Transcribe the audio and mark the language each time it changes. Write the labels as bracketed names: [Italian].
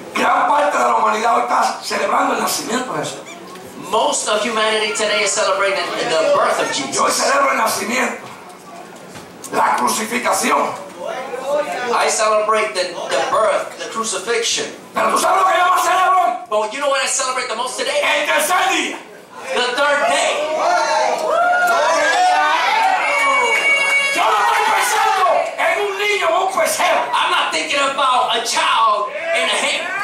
[Spanish] Gran parte de la humanidad hoy está celebrando el nacimiento de Jesús. [English] Most of humanity today is celebrating the birth of Jesus. [Spanish] Yo celebro el nacimiento. La crucificación. [English] I celebrate the birth, the crucifixion. [Spanish] Pero tú sabes lo que yo más celebro. [English] But you know what I celebrate the most today? [Spanish] El tercer día. [English] The third day. [Spanish] Yo no estoy pensando en un niño o un pesebre. [English] I'm not thinking about a child in a hen.